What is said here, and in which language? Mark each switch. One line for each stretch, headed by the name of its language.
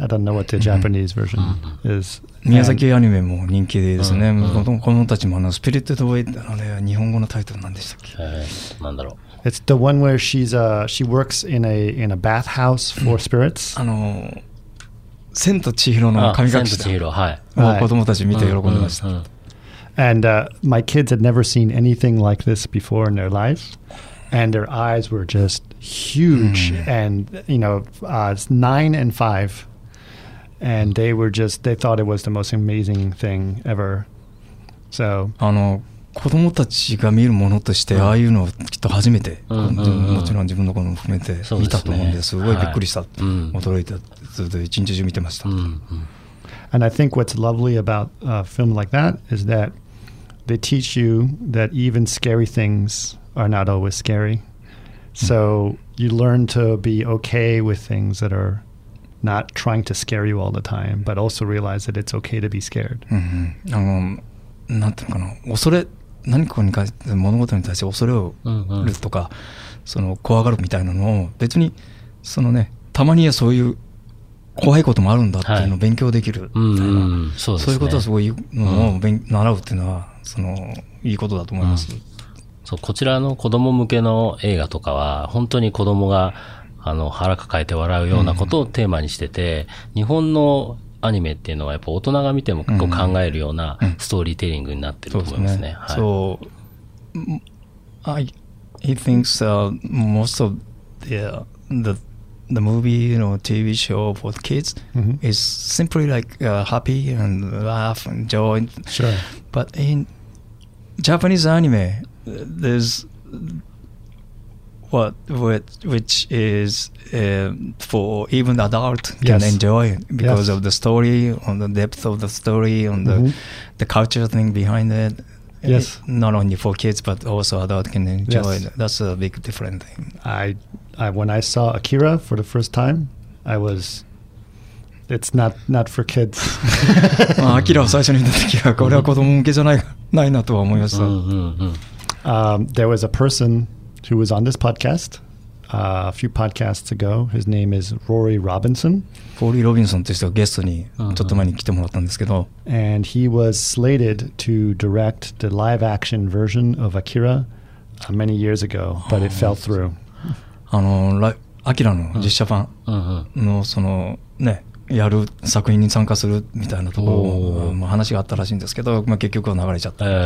English: I don't know what the Japanese version is.
Japanese: 宮崎アニメも人気ですね。子供たちもあのスピリットドウェイってあれ日本語のタイトルなんでしたっけ？なんだろう。
English: It's the one where she works in a bathhouse for spirits.
Japanese: あの千と千尋の神隠し。千と千尋はい。もう子供たち見て喜んでました。
English: And my kids had never seen anything like this before in their life, and their eyes were just huge. And you know, it's 9 and 5. And they were just, they thought it was the most amazing thing ever. So,
Japanese: あの子供たちが見るものとして、ああいうのをきっと初めて、もちろん自分の子も含めて見たと思うんです。すごいびっくりした。驚いた。ずっと一日中見てました。
English: And I think what's lovely about a film like that is that they teach you that even scary things are not always scary. So, you learn to be okay with things that areNot trying to scare you all the time, but also realize that it's okay to be scared.
Japanese: あの、なんていうのかな、恐れ、何かに関して物事に対して恐れをるとか、その怖がるみたいなのを別にそのね、たまにはそういう怖いこともあるんだっていうのを勉強できるみたいな、そういうことはすごいのを習うっていうのはそのいいことだと思います。そう、こちらの子供向けの映画とかは本当に子供があの腹抱えて笑うようなことをテーマにしてて、日本のアニメっていうのはやっぱ大人が見ても結構考えるようなストーリーテリングになってると思いますね。そうですね。はい。
English: So, I think so, most of the movie you know, TV show for the kids is simply like happy and laugh and joy. Sure. But in Japanese anime, there'sWhich is for even adult can enjoy because of the story, on the depth of the story, on the culture thing behind it. Yes, not only for kids but also adult can enjoy it. That's a big different thing. I when I saw Akira for the first time, I was it's not for kids.
Japanese: Akira を最初に見た時はこれは子供向けじゃないないなとは思いました。
English: There was a person. Who was on this podcast a few podcasts ago? His name is Rory Robinson.
Japanese: Rory Robinson という人がゲストにちょっと前に来てもらったんですけど、
English: and he was slated to direct the live-action version of Akira many years ago, but it fell through.
Japanese: あのアキラの実写版のそのねやる作品に参加するみたいなところも話があったらしいんですけど、まあ、結局は流れちゃった、